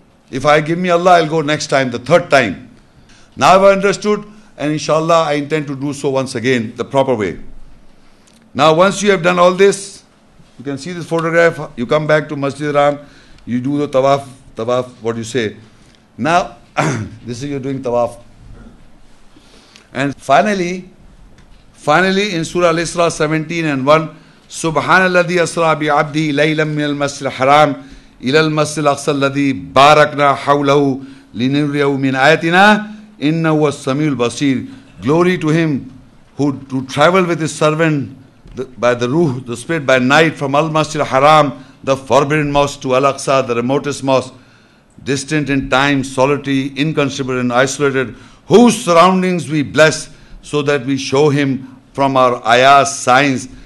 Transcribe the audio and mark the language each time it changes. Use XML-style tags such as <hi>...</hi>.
<en>If I give me Allah, I'll go next time, the third time. Now I've understood, and inshallah, I intend to do so once again, the proper way. Now, once you have done all this, you can see this photograph. You come back to Masjid Ram, you do the tawaf, what you say. Now, this is you're doing tawaf. And finally, in Surah Al-Isra 17 and 1,</en> <ar>سبحان الذي أسرى بعبده ليلا من المسجد الحرام إلى المسجد الأقصى الذي باركنا حوله لنريه من آياتنا إنه هو السميع البصير.</ar> <en>Glory to him who traveled with his servant by the ruh, the spirit, by night from Al-Masjid al-Haram, the forbidden mosque, to Al-Aqsa, the remotest mosque, distant in time, solitary, inconceivable and isolated, whose surroundings we bless so that we show him from our ayahs, signs.</en>